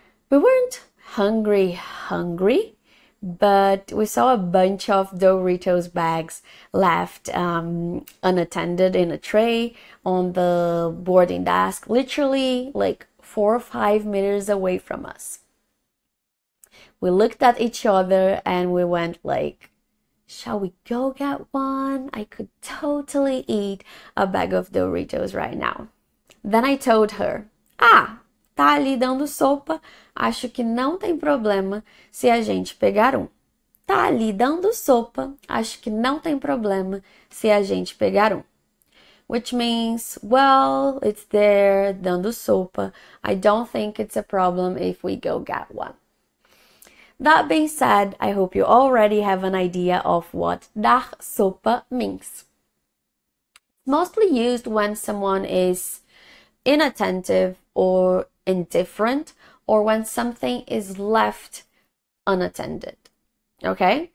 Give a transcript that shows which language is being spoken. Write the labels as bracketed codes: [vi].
[en] We weren't hungry, but we saw a bunch of Doritos bags left unattended in a tray on the boarding desk, literally like 4 or 5 meters away from us. We looked at each other and we went like, "Shall we go get one? I could totally eat a bag of Doritos right now." Then I told her, [pt] "Ah, tá ali dando sopa. Acho que não tem problema se a gente pegar um. Tá ali dando sopa. Acho que não tem problema se a gente pegar um." [en] Which means, well, it's there, [pt] dando sopa. [en] I don't think it's a problem if we go get one. That being said, I hope you already have an idea of what dar sopa means. Mostly used when someone is inattentive or indifferent, or when something is left unattended. Okay?